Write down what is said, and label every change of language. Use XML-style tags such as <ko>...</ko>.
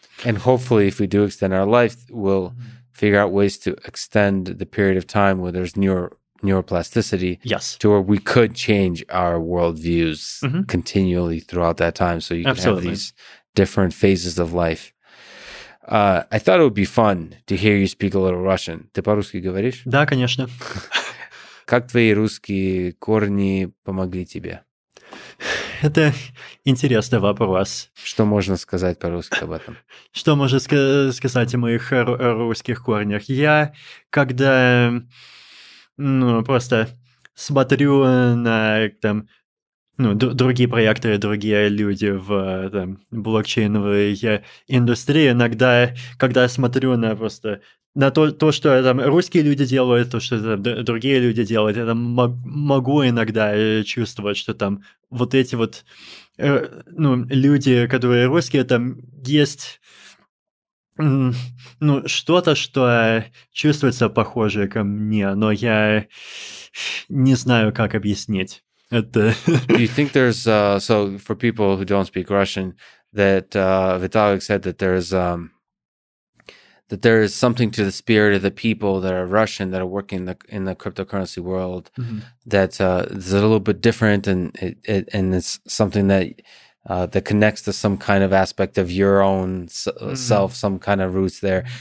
<en>And hopefully, if we do extend our life, we'll figure out ways to extend the period of time where there's neuroplasticity. Yes. To where we could change our worldviews continually throughout that time. So you can have these different phases of life. I thought it would be fun to hear you speak a little Russian.</en> <ru>Ты по-русски говоришь? Да, конечно. Как твои русские корни помогли тебе? Это интересный вопрос. Что можно сказать по-русски об этом? Что можно сказать о моих русских корнях? Я, когда просто смотрю на там, другие проекты, другие люди в блокчейновой индустрии, иногда, когда я смотрю на просто... На то, что там русские люди делают, то, что там другие люди делают, я там могу иногда чувствовать, что там вот эти вот люди, которые русские, там есть что-то, что чувствуется похожее ко мне, но я не знаю, как объяснить это.</ru> <en>Do you think there's, so for people who don't speak Russian, that Vitalik said that there's... that there is something to the spirit of the people that are Russian that are working in the cryptocurrency world that is a little bit different, and it's something that that connects to some kind of aspect of your own self, some kind of roots there.</en>